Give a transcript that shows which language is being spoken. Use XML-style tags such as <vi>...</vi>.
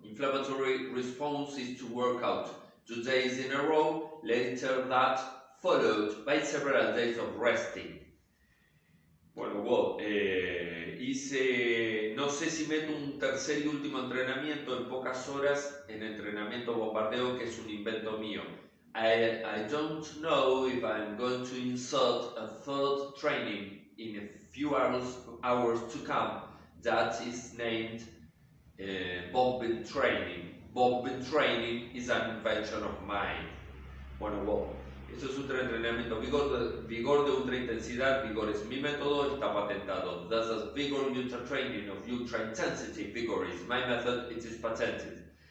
<en>Inflammatory response is to work out 2 days in a row, later that followed by several days of resting.</en> <es>Bueno, well, hice, no sé si meto un tercer y último entrenamiento en pocas horas en entrenamiento bombardeo, que es un invento mío.</es> <en>I don't know if I'm going to insert a third training in a few hours to come that is named bombing training. Bombing training is an invention of mine.</en> <es>Bueno, well, esto es ultra entrenamiento, vigor de ultra intensidad, vigor es mi método, está patentado.</es> <en>This is vigor ultra training of ultra intensity, vigor is my method, it is patented.</en>